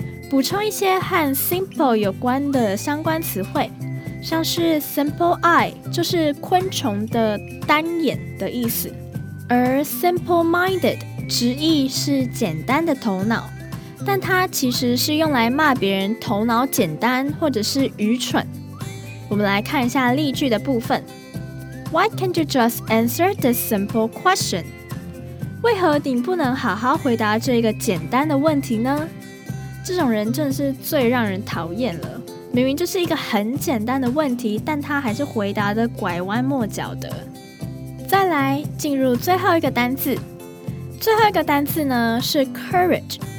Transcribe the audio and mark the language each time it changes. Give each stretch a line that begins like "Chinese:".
Chinese: 补充一些和 simple 有关的相关词汇，像是 simple eye 就是昆虫的单眼的意思，而 simple minded 直译是简单的头脑，但它其实是用来骂别人头脑简单或者是愚蠢。我们来看一下例句的部分。
English: Why can't you just answer this simple question?
Chinese: 为何你不能好好回答这个简单的问题呢？这种人真的是最让人讨厌了，明明就是一个很简单的问题，但他还是回答得拐弯抹角的。再来进入最后一个单字，最后一个单字呢是 courage。